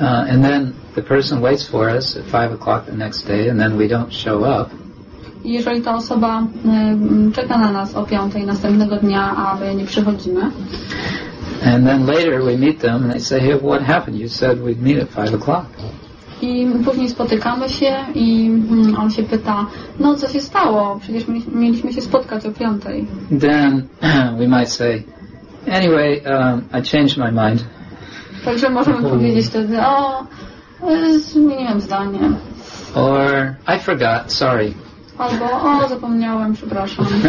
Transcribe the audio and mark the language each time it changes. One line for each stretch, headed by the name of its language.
English: And then the person waits for us at 5 o'clock the next day and then we don't show up.
Polish: Jeżeli ta osoba czeka na nas o 5 następnego dnia, a my nie przychodzimy.
English: And then later we meet them and they say, hey, what happened? You said we'd meet at 5 o'clock.
Polish: I później spotykamy się i on się pyta, no co się stało? Przecież mieliśmy się spotkać o 5.
English: Then we might say, anyway, I changed my mind.
Polish: Także możemy powiedzieć wtedy, o, zmieniłem zdanie.
English: Or, I forgot, sorry.
Polish: Albo, o, zapomniałem, przepraszam.